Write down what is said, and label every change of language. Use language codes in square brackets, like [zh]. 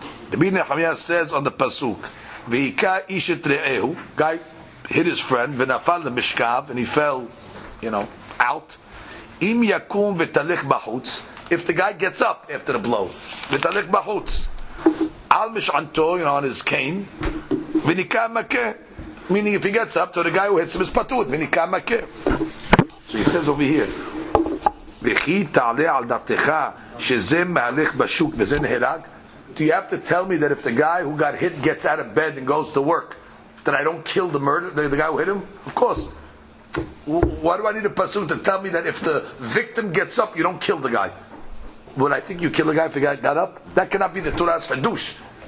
[en] Rabbi Nechamya says on the Pasuk, [he] Vika Ishet Re'ehu, [en] guy hit his friend, [he] V'nafal L'mishkav, [en] and he fell, out. [he] Im Yakum V'talich Bachutz, [en] if the guy gets up after the blow, V'talich Bachutz, Al Mish'anto, on his cane, [he] V'nika Makeh, [en] meaning if he gets up, to the guy who hits him is Patut, V'nika Makeh. So he says over here, [he] וכי תעלה על דתך שזה מהלך בשוק וזה נהרג [en] do you have to tell me that if the guy who got hit gets out of bed and goes to work, that I don't kill the murder, the guy who hit him? Of course. Why do I need a pasuk to tell me that if the victim gets up, you don't kill the guy? Would I think you kill the guy if the guy got up? That cannot be the Torah's chiddush.